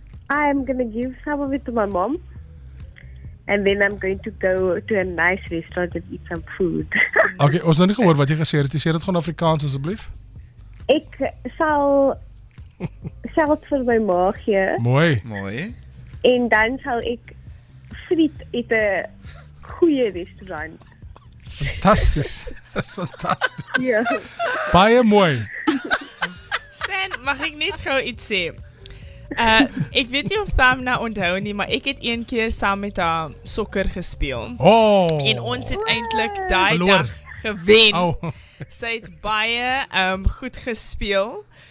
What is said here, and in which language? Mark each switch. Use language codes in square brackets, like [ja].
[en] I'm going to give some of it to my mom. And then I'm going to go to a nice restaurant and eat some food. [af] Okay, ons het nie gehoor wat jy gesê het. Jy sê dit gewoon Afrikaans, asseblief. Ek sal geld vir my ma gee. Mooi. Mooi. En dan sal ek friet eet 'n goeie restaurant. Fantasties. Dis fantasties. Ja. Baie mooi. Stan, mag ek net gou iets sê? Ek weet nie of Thameenah onthou nie, maar ek het een keer saam met haar sokker gespeel. Oh, en ons het eintlik daai dag gewen. Oh. Sy het baie goed gespeel.